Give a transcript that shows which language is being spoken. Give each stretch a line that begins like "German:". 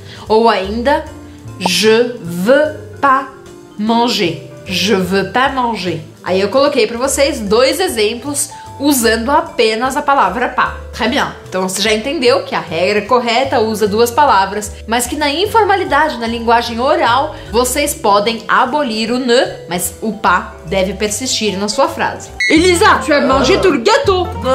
Portuguese: Ou ainda,
French: je veux pas manger. Je veux pas manger.
Portuguese: Aí eu coloquei para vocês dois exemplos usando apenas a palavra pas.
French: Très bien.
Portuguese: Então você já entendeu que a regra correta usa duas palavras, mas que na informalidade, na linguagem oral, vocês podem abolir o ne, mas o pas deve persistir na sua frase.
French: Elisa, tu as mangé tout le gâteau?